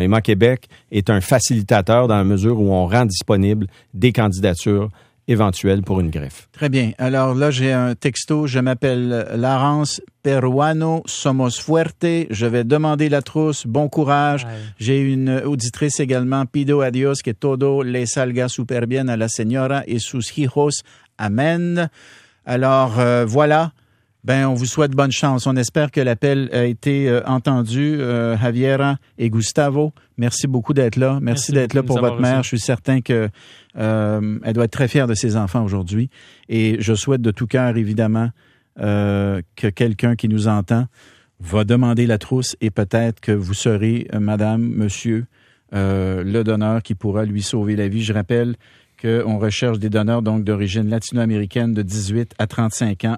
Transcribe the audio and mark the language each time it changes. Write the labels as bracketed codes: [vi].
[fr] Emma Québec est un facilitateur dans la mesure où on rend disponible des candidatures éventuelles pour une greffe. Très bien. Alors là, j'ai un texto. Je m'appelle Laurence Peruano. [es] Somos fuerte. [fr] Je vais demander la trousse. Bon courage. Aye. J'ai une auditrice également. [es] Pido a Dios que todo le salga super bien a la señora y sus hijos. [fr] Amen. Alors, voilà. Ben, on vous souhaite bonne chance. On espère que l'appel a été entendu. Javiera et Gustavo, merci beaucoup d'être là. Merci d'être là pour votre mère. Je suis certain qu'elle doit être très fière de ses enfants aujourd'hui. Et je souhaite de tout cœur, évidemment, que quelqu'un qui nous entend va demander la trousse et peut-être que vous serez, madame, monsieur, le donneur qui pourra lui sauver la vie. Je rappelle qu'on recherche des donneurs donc d'origine latino-américaine de 18 à 35 ans.